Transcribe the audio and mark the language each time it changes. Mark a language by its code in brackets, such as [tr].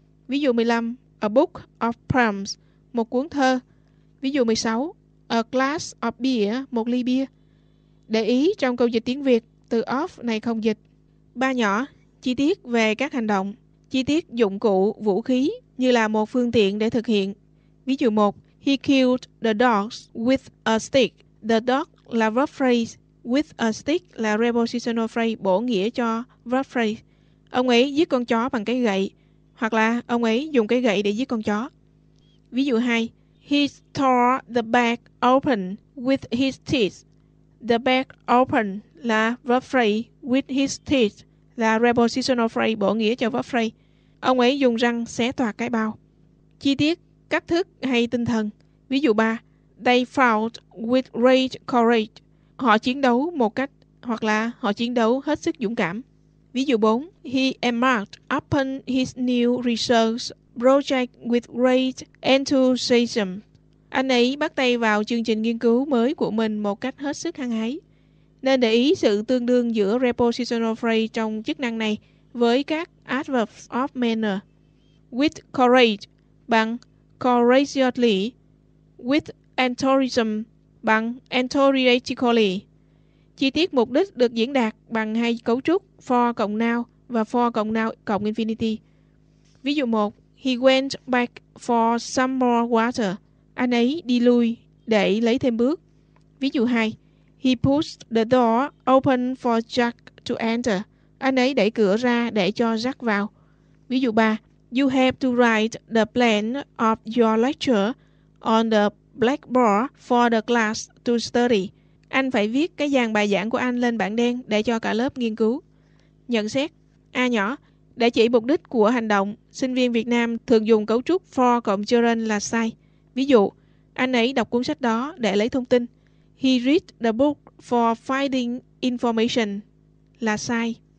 [vi] Ví dụ 15, [en] a book of poems, [vi] một cuốn thơ. Ví dụ 16, [en] a glass of beer, [vi] một ly bia. Để ý trong câu dịch tiếng Việt, từ of này không dịch. Ba nhỏ, chi tiết về các hành động, chi tiết dụng cụ, vũ khí như là một phương tiện để thực hiện. Ví dụ 1, [en] he killed the dogs with a stick. The dog là verb phrase, with a stick là prepositional phrase, bổ nghĩa cho verb phrase. [vi] ông ấy giết con chó bằng cái gậy, hoặc là ông ấy dùng cái gậy để giết con chó. Ví dụ 2. [en] He tore the bag open with his teeth. The bag open là verb phrase, with his teeth là prepositional phrase [vi] bổ nghĩa cho [en] verb phrase. [vi] Ông ấy dùng răng xé toạc cái bao. Chi tiết, cách thức hay tinh thần. Ví dụ 3. [en] They fought with great courage. [vi] Họ chiến đấu một cách, hoặc là họ chiến đấu hết sức dũng cảm. Ví dụ 4. [en] He embarked upon his new research project with great enthusiasm. [vi] Anh ấy bắt tay vào chương trình nghiên cứu mới của mình một cách hết sức hăng hái. Nên để ý sự tương đương giữa prepositional phrase trong chức năng này với các adverbs of manner. [en] With courage bằng courageously. With enthusiasm bằng enthusiastically. [vi] Chi tiết mục đích được diễn đạt bằng hai cấu trúc for cộng noun và for cộng noun cộng infinity. Ví dụ 1. [en] He went back for some more water. [vi] Anh ấy đi lui để lấy thêm bước. Ví dụ 2. [en] He pushed the door open for Jack to enter. [vi] Anh ấy đẩy cửa ra để cho Jack vào. Ví dụ 3. [en] You have to write the plan of your lecture on the blackboard for the class to study. [vi] Anh phải viết cái dàn bài giảng của anh lên bảng đen để cho cả lớp nghiên cứu. Nhận xét. A nhỏ. Để chỉ mục đích của hành động, sinh viên Việt Nam thường dùng cấu trúc for cộng gerund là sai. Ví dụ, anh ấy đọc cuốn sách đó để lấy thông tin. [en] He read the book for finding information [vi] là sai.